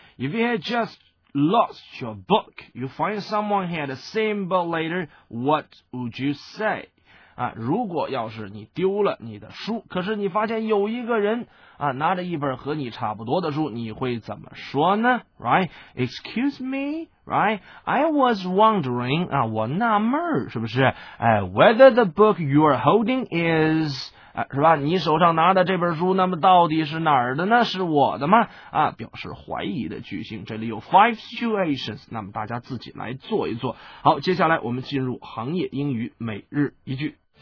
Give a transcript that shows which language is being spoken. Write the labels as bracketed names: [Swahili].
[English] If you had just lost your book, you find someone had the same book later, what would you say？ [Chinese] 啊，如果要是你丢了你的书，可是你发现有一个人啊拿着一本和你差不多的书，你会怎么说呢 ？ [English] Right? Excuse me, right? I was wondering [Chinese] 啊，我纳闷是不是？ [English] Whether the book you are holding is [Chinese] 啊，是吧？你手上拿的这本书，那么到底是哪儿的呢？是我的吗？啊，表示怀疑的句型，这里有 [English] five situations， [Chinese] 那么大家自己来做一做。好，接下来我们进入行业英语每日一句。